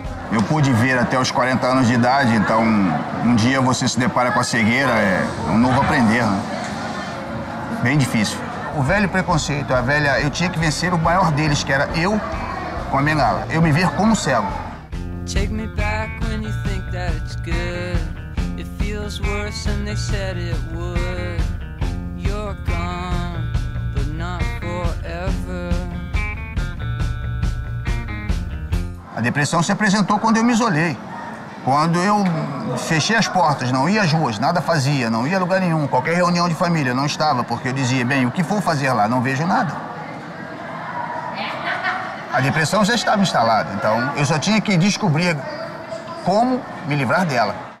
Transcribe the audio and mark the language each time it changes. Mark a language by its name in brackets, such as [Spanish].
[Portuguese] Eu pude ver até os 40 anos de idade, então um dia você se depara com a cegueira, é um novo aprender, né? Bem difícil. O velho preconceito, eu tinha que vencer o maior deles, que era eu com a bengala. Eu me ver como cego. [English] Take me back when you think that it's good. It feels worse than they said it would. You're gone, but not forever. [Portuguese] A depressão se apresentou quando eu me isolei. Quando eu fechei as portas, não ia às ruas, nada fazia, não ia a lugar nenhum, qualquer reunião de família, não estava, porque eu dizia, bem, o que vou fazer lá? Não vejo nada. A depressão já estava instalada, então eu só tinha que descobrir como me livrar dela.